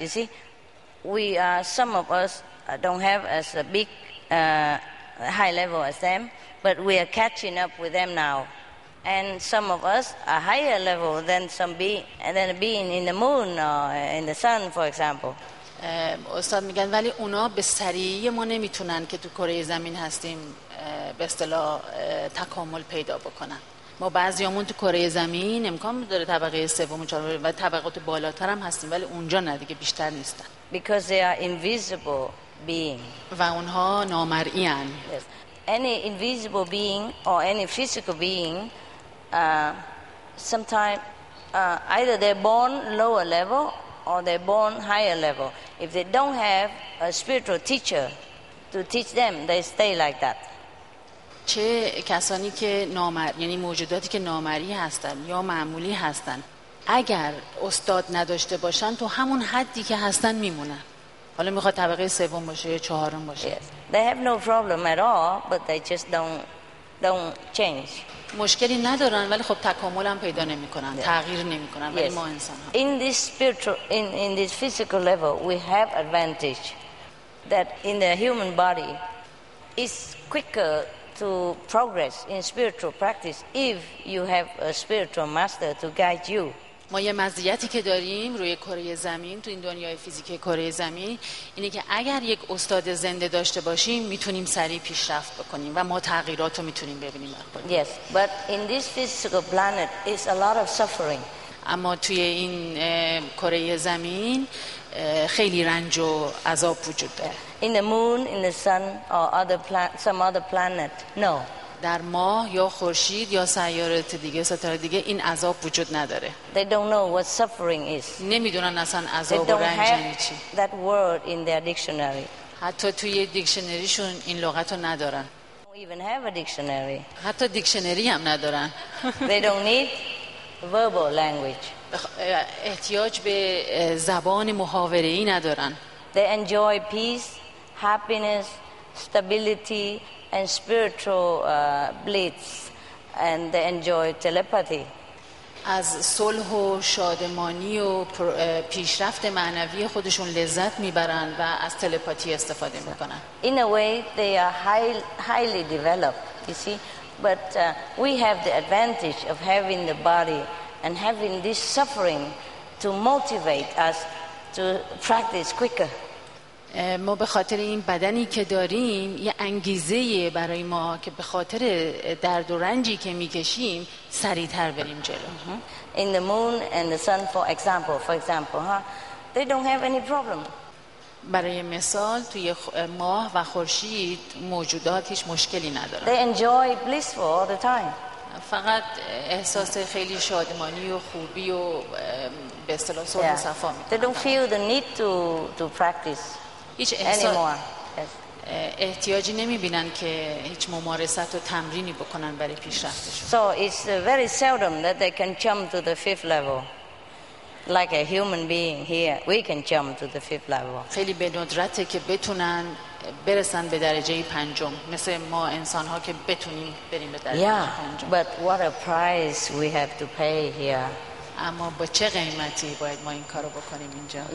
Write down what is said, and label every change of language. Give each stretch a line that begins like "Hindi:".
English: You see, we are some of us don't have as a big high level as them. But we are catching up with them now. And some of us are higher level than some being in the moon or in the sun, for example.
Persian: استاد میگن ولی اونا به سریعی ما نمیتونن که تو کره زمین هستیم به اصطلاح تکامل پیدا بکنن. ما بعضیامون تو کره زمین امکان داره طبقه سوم و چهارم و طبقات بالاتر هم هستیم ولی اونجا نه دیگه بیشتر نیستن.
English: Because they are invisible being.
Persian: و اونها نامرئی ان.
English: Yes. Any invisible being or any physical being, either they're born lower level or they're born higher level. If they don't have a spiritual teacher to teach them, they stay like that.
Persian: چه کسانی که نامرئی یعنی موجوداتی که نامرئی هستن یا معمولی هستن اگر استاد نداشته باشن تو همون حدی که هستن میمونن حالا میخواد طبقه سوم باشه یا چهارم باشه
English: yes. They have no problem at all but they just don't change
Persian: مشکلی ندارن ولی خب تکامل هم پیدا نمیکنن yeah. تغییر نمیکنن ولی yes. ما انسان ها
English: in this spiritual in this physical level we have advantage that in the human body is quicker to progress in spiritual practice if you have a spiritual master to guide you
Persian: ما یه مزیتی که داریم روی کره زمین تو این دنیای فیزیک کره زمین اینه که اگر یک استاد زنده داشته باشیم میتونیم سریع پیشرفت بکنیم و ما تغییرات رو میتونیم ببینیم
English: Yes, but in this physical planet is a lot of suffering
Persian: اما توی این کره زمین خیلی رنج و عذاب وجود داره.
English: In the moon, in the sun, or other planet, some other planet. No.
Persian: در ماه یا خورشید یا سیارات دیگه ستاره دیگه این عذاب وجود نداره.
English: They don't know what suffering is.
Persian: نمیدونن اصلا عذاب و رنج یعنی چی.
English: They don't have that word in their dictionary.
Persian: حتی توی دیکشنریشون این لغت رو ندارن.
English: Even have a dictionary.
Persian: حتی دیکشنری هم ندارن.
English: They don't need verbal language.
Persian: احتیاج به زبان محاوره ای ندارن.
English: They enjoy peace, happiness, stability and spiritual bliss, and they enjoy telepathy.
Persian: از صلح و شادمانی و پیشرفت معنوی خودشون لذت میبرن و از تلپاتی استفاده میکنن.
English: In a way they are highly developed, you see, but we have the advantage of having the body and having this suffering to motivate us to practice quicker.
Persian: ما به خاطر این بدنی که داریم یه انگیزه برای ما که به خاطر درد و رنجی که میکشیم سریعتر بریم جلو.
English: In the moon and the sun, for example, huh? They don't have any problem.
Persian: برای مثال توی ماه و خورشید موجودات هیچ مشکلی ندارن.
English: They enjoy blissful all the time.
Persian: فقط احساس خیلی شادمانی و خوبی و به اصطلاح صلح و صفا میکنن.
English: They don't feel the need to practice. Yes.
Persian: احتیاجی نمی‌بینن که هیچ ممارست و تمرینی بکنن برای پیشرفتشون.
English: So it's very seldom that they can jump to the fifth level. Like a human being here, we can jump to the fifth level.
Persian: خیلی به ندرته که بتونن برسن به درجه پنجم. مثل ما انسان‌ها که بتونیم بریم به درجه پنجم.
English: But what a price we have to pay here.
Persian: اما با چه قیمتی باید ما این کارو بکنیم اینجا؟